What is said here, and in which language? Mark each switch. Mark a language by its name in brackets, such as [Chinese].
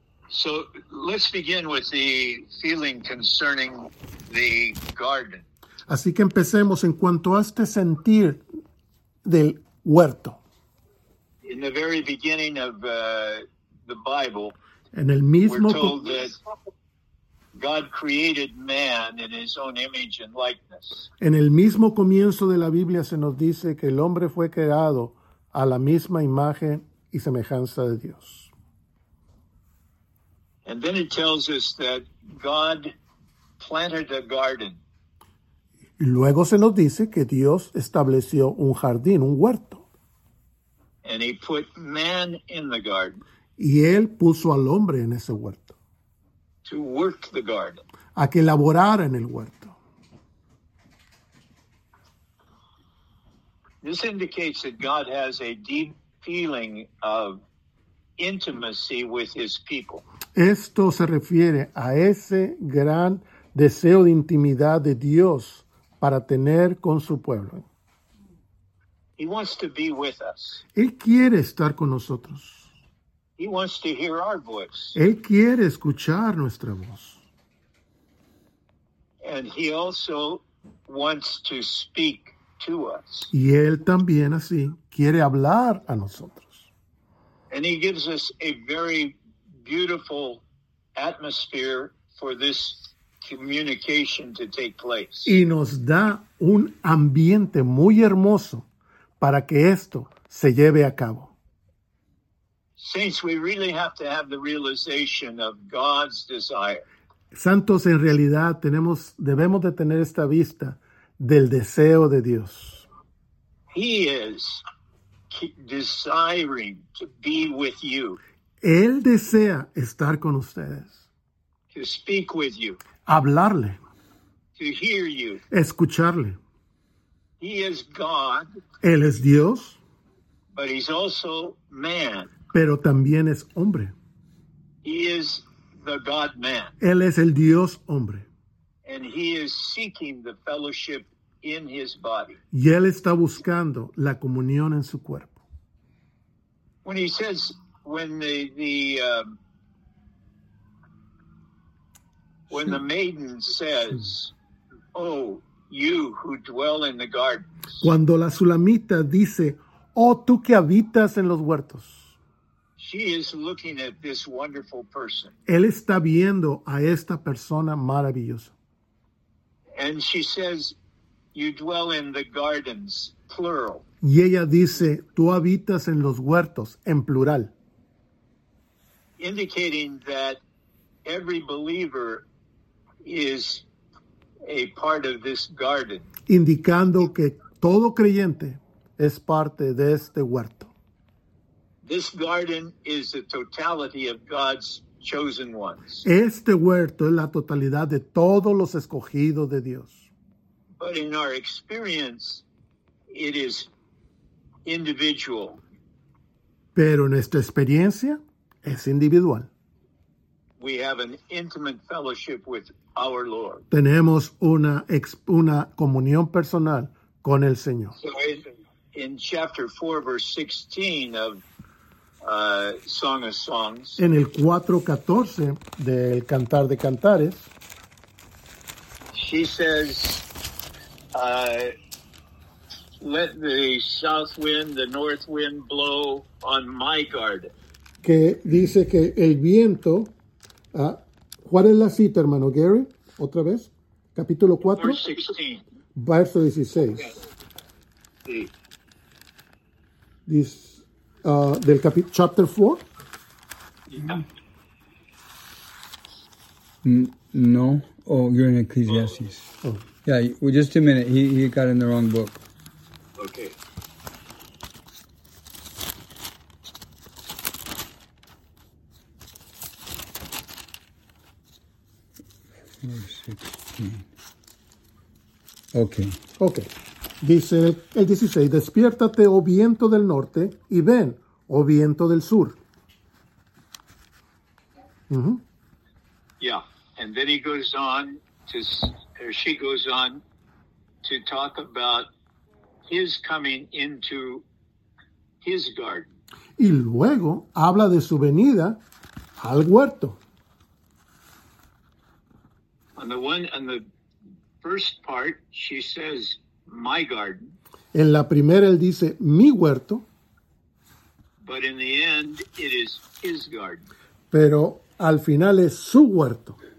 [English] So let's begin with the feeling concerning the garden. [Spanish] Así que empecemos en cuanto a este sentir del huerto. [English] In the very beginning of the Bible, [Spanish] en el mismo [English] we're told that God created man in his own image and likeness. [Spanish] En el mismo comienzo de la Biblia se nos dice que el hombre fue creado a la misma imagen y semejanza de Dios. [English] And then it tells us that God planted a garden. [Spanish] Y luego se nos dice que Dios estableció un jardín, un huerto. [English] And he put man in the garden. [Spanish] Y él puso al hombre en ese huerto. [English] To work the garden. [Spanish] A que laborara en el huerto. [English] This indicates that God has a deep feeling of intimacy with his people. [Spanish] Esto se refiere a ese gran deseo de intimidad de Dios para tener con su pueblo. [English] He wants to be with us. [Spanish] Él quiere estar con nosotros. [English] He wants to hear our voice. [Spanish] Él quiere escuchar nuestra voz. [English] And he also wants to speak to us. [Spanish] Y él también así quiere hablar a nosotros. [English] And he gives us a very beautiful atmosphere for this communication to take place. [Spanish] Y nos da un ambiente muy hermoso para que esto se lleve a cabo. [English] Saints, we really have to have the realization of God's desire. [Spanish] Santos, en realidad debemos de tener esta vista del deseo de Dios. [English] He is desiring to be with you. [Spanish] Él desea estar con ustedes. [English] To speak with you. [Spanish] Hablarle. [English] To hear you. [Spanish] Escucharle. [English] He is God. [Spanish] Él es Dios. [English] But he's also man. [Spanish] Pero también es hombre. [English] He is the God-man. [Spanish] Él es el Dios hombre. [English] And he is seeking the fellowship in his body. [Spanish] Y él está buscando la comunión en su cuerpo. [English] When he says, when the maiden says, oh, you who dwell in the gardens. [Spanish] Cuando la Sulamita dice, oh, tú que habitas en los huertos. [English] She is looking at this wonderful person. [Spanish] Él está viendo a esta persona maravillosa. [English] And she says, you dwell in the gardens, plural. [Spanish] Y ella dice, tú habitas en los huertos, en plural. [English] Indicating that every believer is a part of this garden. [Spanish] Indicando que todo creyente es parte de este huerto. [English] This garden is the totality of God's chosen ones. [Spanish] Este huerto es la totalidad de todos los escogidos de Dios. [English] But in our experience, it is individual. [Spanish] Pero en nuestra experiencia, es individual. [English] We have an intimate fellowship with our Lord. [Spanish] Tenemos una comunión personal con el Señor. [English] So in chapter 4, verse 16 of Song of Songs. [Spanish] En el 4:14 del Cantar de Cantares. [English] She says, let the south wind, the north wind blow on my garden. [Spanish] Que dice que el viento, ¿cuál es la cita, hermano Gary? ¿Otra vez? Capítulo 4. Verso 16. Okay. Sí. Dice. Del capítulo, [English] chapter 4? Yeah. No. Oh, you're in Ecclesiastes. Oh. Yeah, well, just a minute. He got in the wrong book. Okay. Okay. Okay. [Spanish] Dice el 16, despiértate, oh viento del norte, y ven, o viento del sur. Uh-huh. [English] Yeah, and then he goes on to, or she goes on to talk about his coming into his garden. [Spanish] Y luego habla de su venida al huerto. [English] On the first part, she says, my garden. [Spanish] En la primera, él dice, mi huerto. [English] But in the end, it is his garden. [Spanish] Pero al final es su huerto.